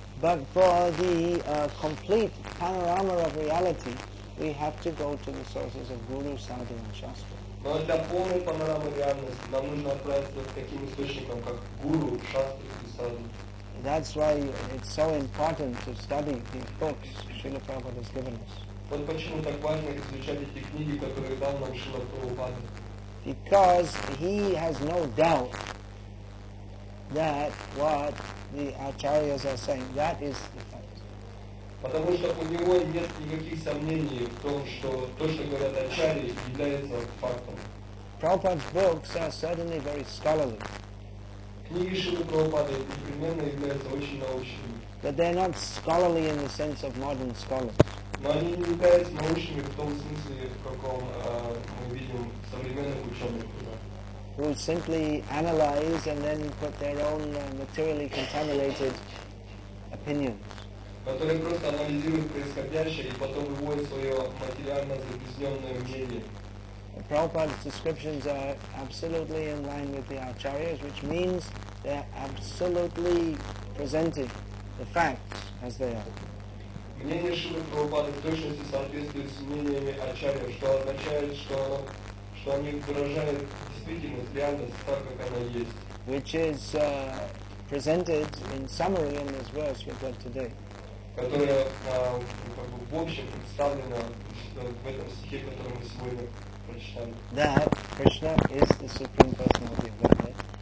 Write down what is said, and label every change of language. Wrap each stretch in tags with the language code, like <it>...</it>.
<en>But for the complete panorama of reality, we have to go to the sources of Guru, Sadhu and Shastra.</en> <ru>Но для полной панорамы реальности нам нужно отправиться к таким источникам, как Гуру, Шастра и Садху.</ru> <en>That's why it's so important to study these books Srila Prabhupada has given us.</en> <ru>Вот почему так важно изучать эти книги, которые дал нам Шрила Прабхупада.</ru> <en>Because he has no doubt that what the acharyas are saying, that is the fact.</en> <ru>Потому что у него нет никаких сомнений в том, что то, что говорят ачарьи, является фактом.</ru> <en>Prabhupada's books are certainly very scholarly.</en> <ru>Книги Шрилы Прабхупады непременно являются очень научными.</ru> <en>But they're not scholarly in the sense of modern scholars.</en> <ru>Но они не являются научными в том смысле, в каком мы видим современных ученых.</ru> <en>Who simply analyze and then put their own materially contaminated opinions.</en> <ru>Которые просто анализируют происходящее и потом выводят свое материально загрязненное мнение.</ru> <en>Prabhupada's descriptions are absolutely in line with the acharyas, which means they are absolutely presenting the facts as they are.</en> <ru>Мнение Шрилы Прабхупады в точности соответствует с мнениями ачарьев, что означает, что они выражают действительность, реальность так, как она есть.</ru> <en>Which is presented in summary in this verse we've got today.</en> <ru>Которая как бы в общем представлена в этом стихе, который мы сегодня.</ru> <en>That Krishna is the Supreme Personality of Godhead.</en>